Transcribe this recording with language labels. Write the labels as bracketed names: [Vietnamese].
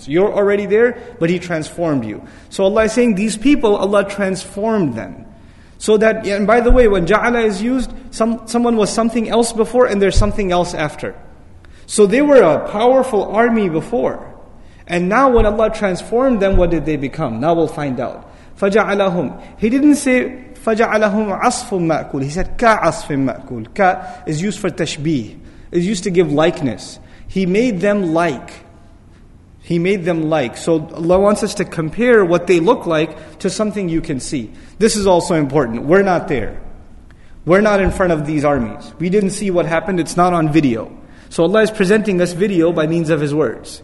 [English] So you're already there, but he transformed you. So Allah is saying, these people, Allah transformed them. So that, and by the way, when ja'ala is used, someone was something else before and there's something else after. So they were a powerful army before. And now when Allah transformed them, what did they become? Now we'll find out. [Arabic] فَجَعَلَهُمْ [English] He didn't say, [Arabic] فَجَعَلَهُمْ عَصْفٌ مَأْكُولٌ. [English] He said, [Arabic] كَعَصْفٍ مَأْكُولٌ. [English] كَ is used for tashbih. It's used to give likeness. He made them like. He made them like. So Allah wants us to compare what they look like to something you can see. This is also important. We're not there. We're not in front of these armies. We didn't see what happened. It's not on video. So Allah is presenting us video by means of His words.